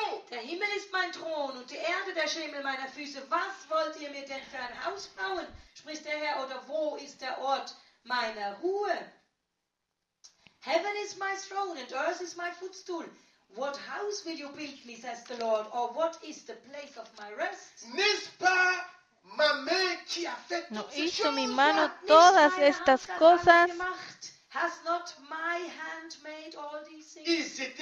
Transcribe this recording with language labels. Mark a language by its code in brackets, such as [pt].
[de] Der Himmel ist mein Thron und die Erde der Schemel meiner Füße. Was wollt ihr mir denn für ein Haus bauen, spricht der Herr, oder wo ist der Ort meiner Ruhe? [en] Heaven is my throne and earth is my footstool. What house will you build me, says the Lord, or what is the place of my rest? [fr] N'est-ce pas ma main qui a fait [es] no hizo mi mano todas estas cosas? [en] Has not my hand made all these things?